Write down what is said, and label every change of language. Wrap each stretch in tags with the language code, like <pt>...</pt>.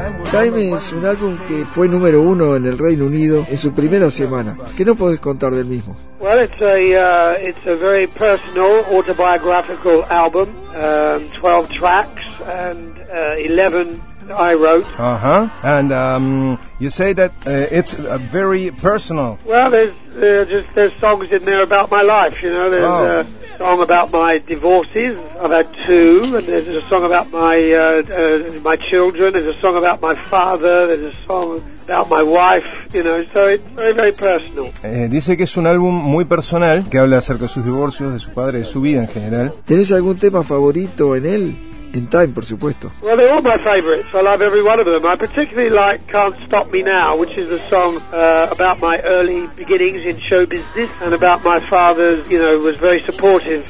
<es>Time es un álbum que fue número uno en el Reino Unido en su primera semana. ¿Qué no podés contar del mismo?</es> <en>Well, it's a very personal autobiographical album, 12 tracks and 11 I wrote. Uh-huh. And you say that it's a very personal. Well, there's songs in there about my life, you know. There's a song about my divorces. I've had two. And there's a song about my my children. There's a song about my father. There's a song about my wife, you know. So it's very, very personal.</en> <es>Dice que es un álbum muy personal, que habla acerca de sus divorcios, de su padre, de su vida en general. ¿Tenés algún tema favorito en él? In Time, por supuesto.</es> <en>Well, they're all my favorites. I love every one of them. I particularly like Can't Stop Me Now, which is a song about my early beginnings in show business and about my father's, you know, was very supportive.</en>